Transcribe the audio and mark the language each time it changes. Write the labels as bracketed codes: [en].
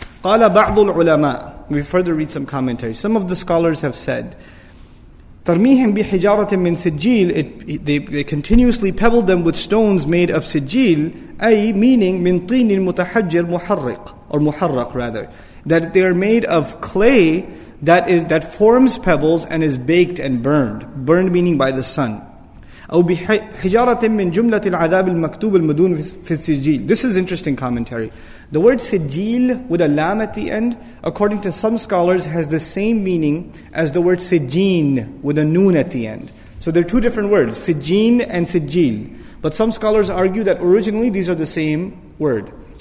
[ar] قَالَ بَعْضُ الْعُلَمَاءِ. [en] We further read some commentary. Some of the scholars have said, [ar] تَرْمِيهِمْ بِحِجَارَةٍ مِّن سِجِّيلٍ. [en] They continuously pebbled them with stones made of sijil, أي meaning [ar] مِن طِينٍ مُتَحَجِّرٍ مُحَرِّقٍ, [en] or muharraq rather. That they are made of clay that forms pebbles and is baked and burned. Burned meaning by the sun. [ar] أو بحجارة من جملة العذاب المكتوب المدون في السجيل. [en] This is interesting commentary. The word سجيل with a lam at the end, according to some scholars, has the same meaning as the word سجين with a noon at the end. So they're two different words, سجين and سجيل. But some scholars argue that originally these are the same word.